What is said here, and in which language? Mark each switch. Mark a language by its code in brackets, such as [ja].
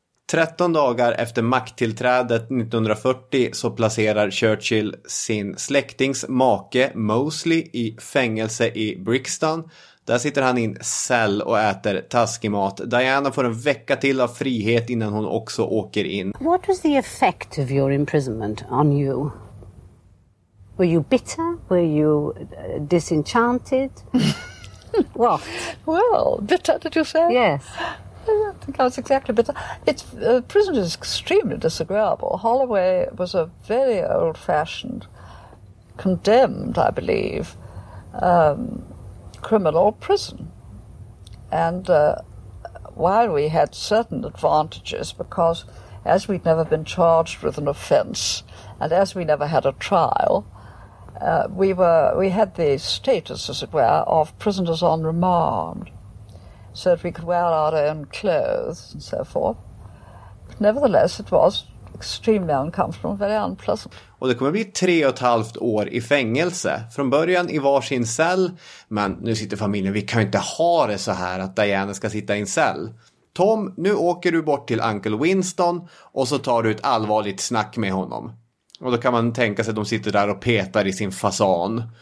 [sv] 13 dagar efter makttillträdet 1940 så placerar Churchill sin släktings make Mosley i fängelse i Brixton. Där sitter han i en cell och äter taskig mat. Diana får en vecka till av frihet innan hon också åker in. [en] What was the effect of your imprisonment on you? Were you bitter? Were you disenchanted? What? Well, bitter, did you say? Yes. I think I was exactly bitter. Prison is extremely disagreeable. Holloway was a very old-fashioned, condemned, I believe, criminal prison. And while we had certain advantages, because as we'd never been charged with an offence, and as we never had a trial, we had the status, as it were, of prisoners on remand, so that we could wear our own clothes and so forth. But nevertheless, it was extremely uncomfortable, very unpleasant. [sv] Och det kommer bli 3,5 år i fängelse. Från början i varsin cell. Men nu sitter familjen, vi kan ju inte ha det så här att Diana ska sitta i en cell. Tom, nu åker du bort till Uncle Winston och så tar du ett allvarligt snack med honom. Och då kan man tänka sig att de sitter där och petar i sin fasan.